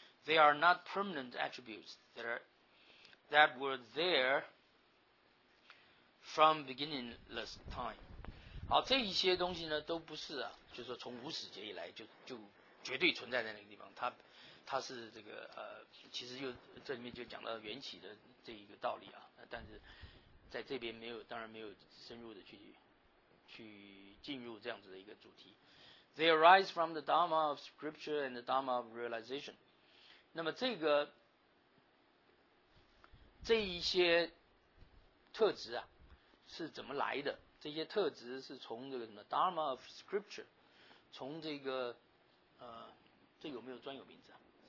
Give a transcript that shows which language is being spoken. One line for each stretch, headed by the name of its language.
English: They are not permanent attributes that were there from beginningless time。
Chinese: 好，这一些东西呢都不是啊，就是说从无始劫以来就绝对存在在那个地方，它是这个其实就这里面就讲到缘起的这一个道理啊，但是在这边没有，当然没有深入的去进入这样子的一个主题。
English: They arise from the Dharma of Scripture and the Dharma of Realization。
Chinese: 那么这一些特质啊是怎么来的？这些特质是从这个什么 Dharma of Scripture， 从这个这有没有专有名字啊？